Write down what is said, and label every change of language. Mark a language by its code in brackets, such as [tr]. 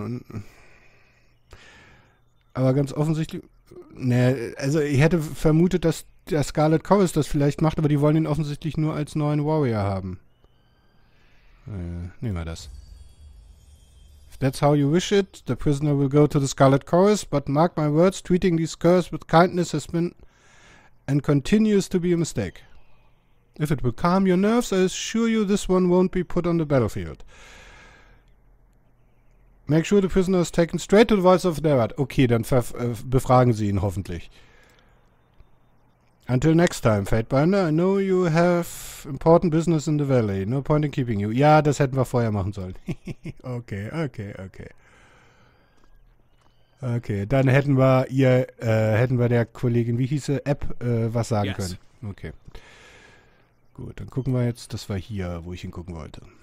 [de] Und aber ganz offensichtlich. Ne, also ich hätte vermutet, dass der Scarlet Chorus das vielleicht macht, aber die wollen ihn offensichtlich nur als neuen Warrior haben. Nehmen wir das. [en] If that's how you wish it, the prisoner will go to the Scarlet Chorus, but mark my words, treating these curse with kindness has been and continues to be a mistake. If it will calm your nerves, I assure you this one won't be put on the battlefield. Make sure the prisoner is taken straight to the voice of Nerad. [de] Okay, dann befragen sie ihn hoffentlich. [en] Until next time, Fatebinder, I know you have important business in the valley. No point in keeping you. [de] Ja, das hätten wir vorher machen sollen. Okay, dann hätten wir der Kollegin, wie hieß sie, App, was sagen yes. können. Okay. Gut, dann gucken wir jetzt, das war hier, wo ich hingucken wollte.